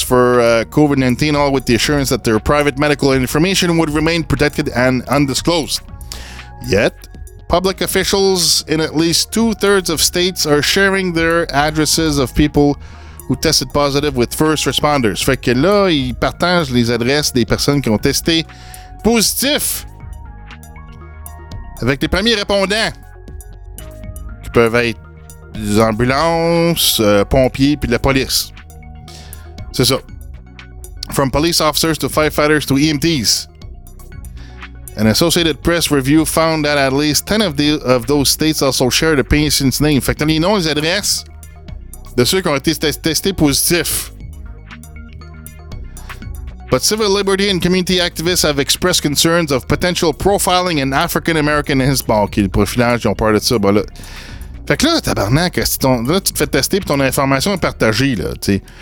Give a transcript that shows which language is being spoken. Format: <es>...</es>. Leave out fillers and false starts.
<en>for COVID-19, all with the assurance that their private medical information would remain protected and undisclosed. Yet, public officials in at least 2/3 of states are sharing their addresses of people who tested positive with first responders.</en> <fr>Fait que là, ils partagent les adresses des personnes qui ont testé positif avec les premiers répondants qui peuvent être des ambulances, pompiers, puis de la police. C'est ça.</fr> <en>From police officers to firefighters to EMTs. An Associated Press review found that at least 10 of those states also share the patient's name.</en> <fr>Fait que les noms, les adresses de ceux qui ont été testés positifs.</fr> <en>But civil liberty and community activists have expressed concerns of potential profiling in African American Hispanic.</en> <fr>Okay, le profilage, ils ont peur de ça. Ben là, Fait que là, tabarnak, là, tu te fais tester puis ton information est partagée, là, tu sais.</fr>